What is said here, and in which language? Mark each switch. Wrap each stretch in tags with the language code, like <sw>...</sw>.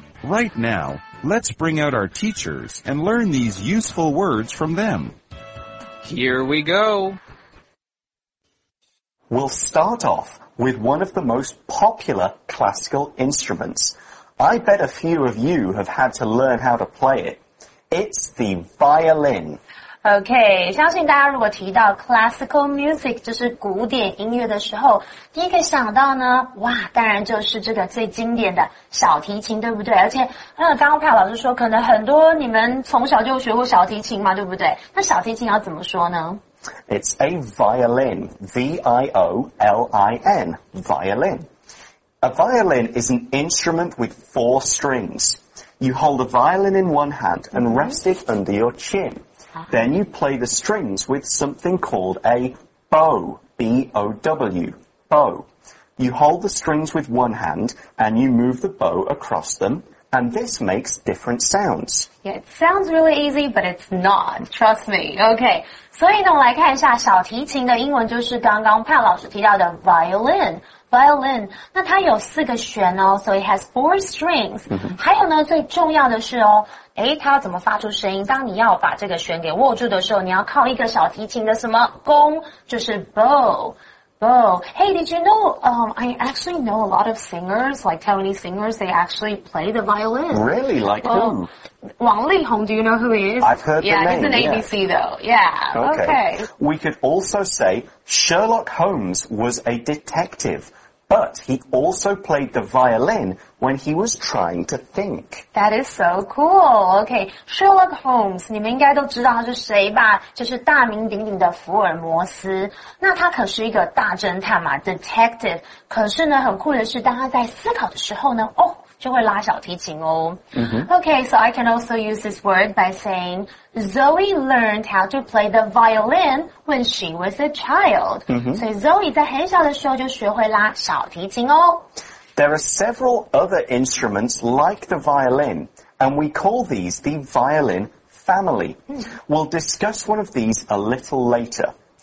<en>Right now, let's bring out our teachers and learn these useful words from them. Here we go. We'll start off with one of the most popular classical instruments. I bet a few of you have had to learn how to play it. It's the violin.</en> <zh>OK, 相信大家如果提到</zh> <en>classical music,</en> <zh>就是古典音乐的时候第一个想到呢哇当然就是这个最经典的小提琴对不对而且刚刚派老师说可能很多你们从小就学过小提琴嘛对不对那小提琴要怎么说呢</zh> <en>It's a violin, V-I-O-L-I-N, violin. A violin is an instrument with four strings. You hold a violin in one hand and rest it under your chin. Then you play the strings with something called a bow, B-O-W, bow. You hold the strings with one hand and you move the bow across them, and this makes different sounds. Yeah, it sounds really easy, but it's not, trust me.</en> <zh>Okay, 所以呢我来看一下小提琴的英文就是刚刚Pat老师提到的 violin. Violin, 那它有四个弦哦</zh> <en>so it has four strings.、 Mm-hmm.</en> <zh>还有呢最重要的是哦诶它要怎么发出声音当你要把这个弦给握住的时候你要靠一个小提琴的什么弓就是 bow, bow.</zh> <en>Hey, did you know,、I actually know a lot of singers, like Taiwanese singers, they actually play the violin. Really? Like who? 王力宏, do you know who he is? I've heard yeah, the name, yeah. Yeah, he's an ABC、 yeah. though. Yeah, okay. We could also say Sherlock Holmes was a detective. But he also played the violin when he was trying to think. That is so cool. Okay, Sherlock Holmes,</en> <zh>你们应该都知道他是谁吧？就是大名鼎鼎的福尔摩斯。那他可是一个大侦探嘛 ,detective. 可是呢很酷的是当他在思考的时候呢哦就会拉小提琴哦。 Mm-hmm.</zh> <en>Okay, so I can also use this word by saying, Zoe learned how to play the violin when she was a child. Mm-hmm.</en> <zh>所以 Zoe 在很小的时候就学会拉小提琴哦。</zh> <en>There are several other instruments like the violin, and we call these the violin family. Mm-hmm. We'll discuss one of these a little later.</en>